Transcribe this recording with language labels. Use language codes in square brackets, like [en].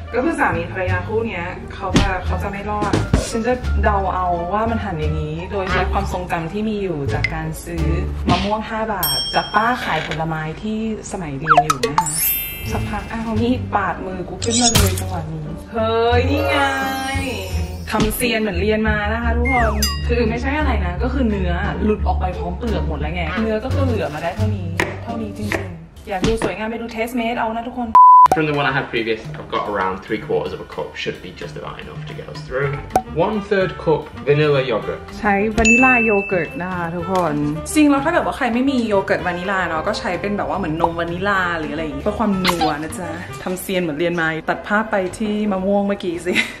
[th] ก็คือสามีภรรยาคู่นี้เขาจะไม่รอดฉันจะเดาเอาว่ามันหั่นอย่างนี้โดยใช้ความทรงจำที่มีอยู่จากการซื้อมะม่วง5บาทจากป้าขายผลไม้ที่สมัยเรียนอยู่นะคะสักพักเขามีปาดมือกูขึ้นมาเลยจังหวะนี้เฮ้ยนี่ไง คำเซียนเหมือนเรียนมานะคะทุกคนคือไม่ใช่อะไรนะก็คือเนื้อหลุดออกไปพร้อมเปลือกหมดแล้วไงเนื้อก็เหลือมาได้เท่านี้จริงๆอยากดูสวยงามไปดูเทสเมดเอานะทุกคน [en] From the one I had previous I've got around 3/4 of a cup should be just about enough to get us through 1/3 cup vanilla yogurt [th] ใช้วานิลาโยเกิร์ตนะคะทุกคน จริงแล้วถ้าแบบว่าใครไม่มีโยเกิร์ตวานิลาเนาะก็ใช้เป็นแบบว่าเหมือนนมวานิลาหรืออะไรอย่างงี้เพื่อความนัวนะจ๊ะทำเซียนเหมือนเรียนมาตัดภาพไปที่มะม่วงเมื่อกี้สิ